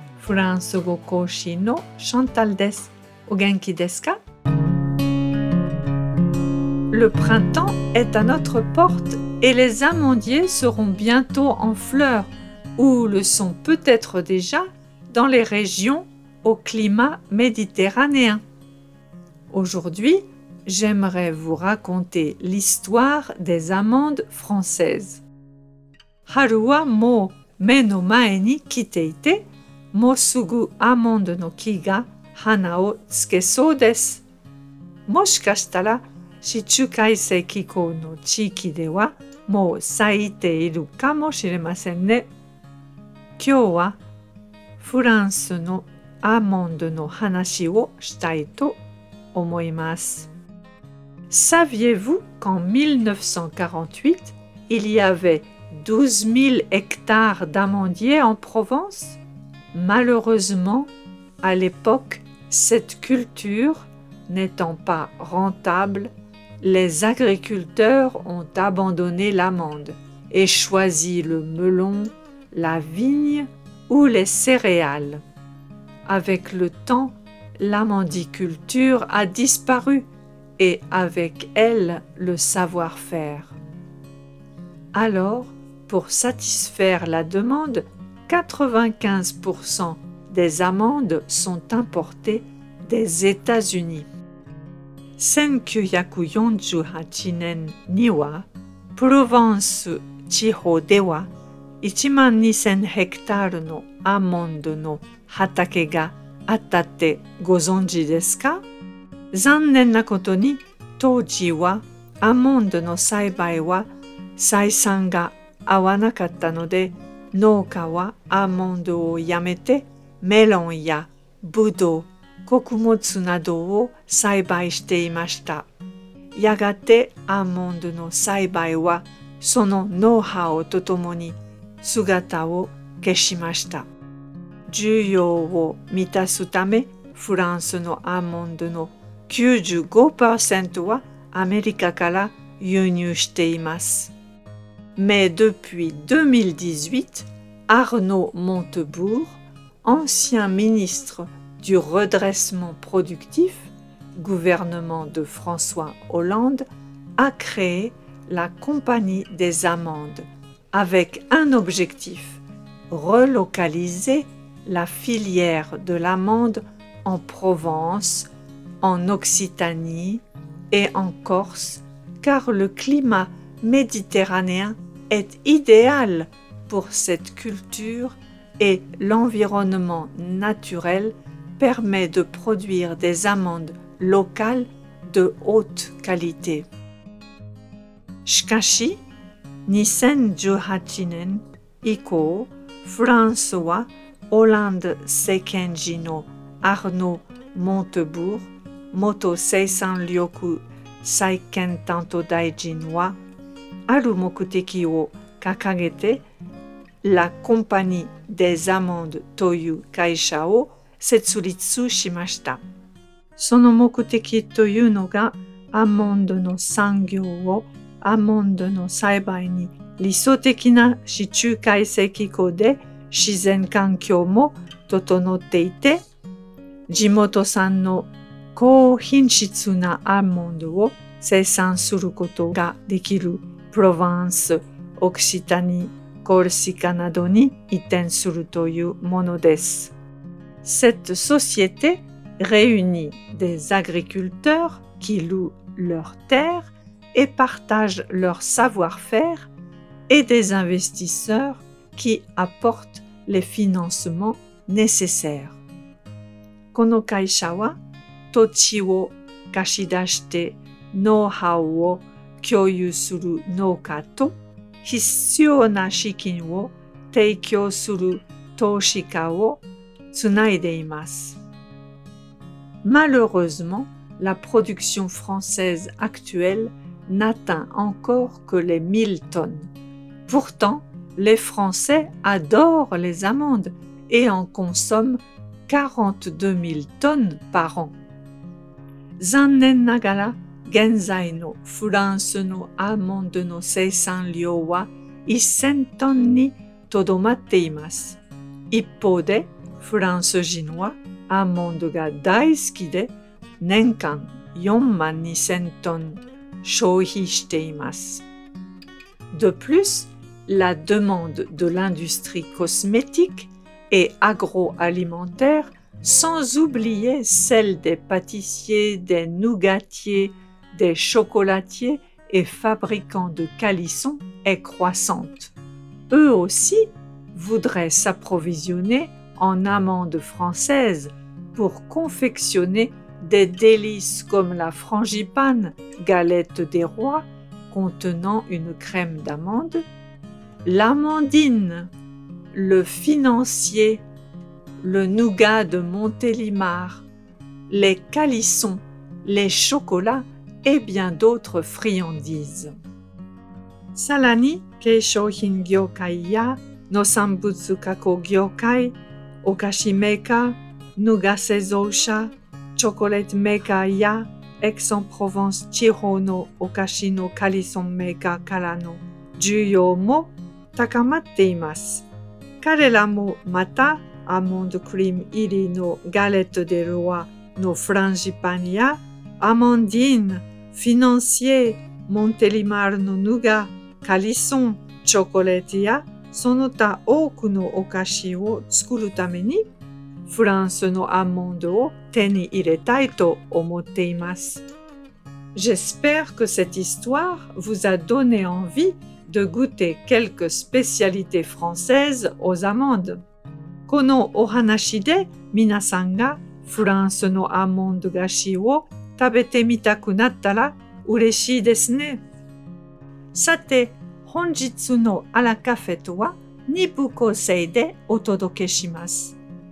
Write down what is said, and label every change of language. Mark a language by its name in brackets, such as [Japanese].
[Japanese] フランス語講師のシャンタルです。お元気ですか？ [French] Le printemps est à notre porte et les amandiers seront bientôt en fleurs ou le sont peut-être déjà dans les régions au climat méditerranéen. Aujourd'hui, j'aimerais vous raconter l'histoire des amandes françaises. [Japanese] Harua mo me no mae ni kiteite. もうすぐアマンドの木が花をつけそうです。もしかしたら地中海性気候の地域ではもう咲いているかもしれませんね。今日はフランスのアマンドの話をしたいと思います。 [French] Saviez-vous qu'en 1948, il y avait 12 000 hectares d'amandiers en Provence? Malheureusement, à l'époque, cette culture n'étant pas rentable, les agriculteurs ont abandonné l'amande et choisi le melon, la vigne ou les céréales. Avec le temps, l'amandiculture a disparu et avec elle le savoir-faire. Alors, pour satisfaire la demande,95% des amandes sont importées des États-Unis. [Japanese] 1948年には、プロヴァンス地方では、1万2000ヘクタールのアーモンドの畑があったってご存知ですか？残念なことに、当時はアーモンドの栽培は採算が合わなかったので、農家はアーモンドをやめてメロンやブドウ、穀物などを栽培していました。やがてアーモンドの栽培はそのノウハウとともに姿を消しました。需要を満たすためフランスのアーモンドの 95% はアメリカから輸入しています。 [French] Mais depuis 2018, Arnaud Montebourg, ancien ministre du redressement productif, gouvernement de François Hollande, a créé la Compagnie des Amandes avec un objectif, relocaliser la filière de l'amande en Provence, en Occitanie et en Corse, car le climat méditerranéen est idéal pour cette culture et l'environnement naturel permet de produire des amandes locales de haute qualité. [Japanese] しかし、2018年以降、フランスはオランダ政権時のアーノ・モントブーグ、元生産緑再建担当大臣は、ある目的を掲げて、La Compagnie des Amandes という会社を設立しました。その目的というのが、アーモンドの産業をアーモンドの栽培に理想的な地中海性気候で自然環境も整っていて、地元産の高品質なアーモンドを生産することができる。プロヴァンス、オクシタニ、コルシカなどに移転するというものです。 [French] Cette société réunit des agriculteurs qui louent leurs terres et partagent leur savoir-faire et des investisseurs qui apportent les financements nécessaires. [Japanese] この会社は、土地を貸し出して、ノウハウを共有する農家と必要な資金を提供する投資家をつないでいます。 [French] Malheureusement, la production française actuelle n'atteint encore que les 1000 tonnes. Pourtant, les Français adorent les amandes et en consomment 42 000 tonnes par an. [Japanese] 残念ながら、現在のフランスのアーモンドの生産量は1000トンにとどまっています。一方で、フランス人はアーモンドが大好きで、年間4万2000トン消費しています。 [French] De plus, la demande de l'industrie cosmétique et agroalimentaire, sans oublier celle des pâtissiers, des nougatiers, des chocolatiers et fabricants de calissons est croissante. Eux aussi voudraient s'approvisionner en amandes françaises pour confectionner des délices comme la frangipane, galette des rois, contenant une crème d'amande, l'amandine, le financier, le nougat de Montélimar, les calissons, les chocolats et bien d'autres friandises. [Japanese] さらに、化粧品業界や農産物加工業界、お菓子メーカー、ヌガ製造者、チョコレートメーカーや、エクソンプロヴァンス地方のお菓子のカリソンメーカーからの需要も高まっています。彼らもまた、アーモンドクリーム入りのガレットデロワのフランジパンや、アマンディーン、フィナンシエ、モンテリマールのヌガ、カリソン、チョコレートや、その他多くのお菓子を作るために、フランスのアーモンドを手に入れたいと思っています。 [French] J'espère que cette histoire vous a donné envie de goûter quelques spécialités françaises aux amandes. [Japanese] このお話で皆さんがフランスのアーモンド菓子を食べてみたくなったら嬉しいですね。さて、本日のアラカフェとは2部構成でお届けします。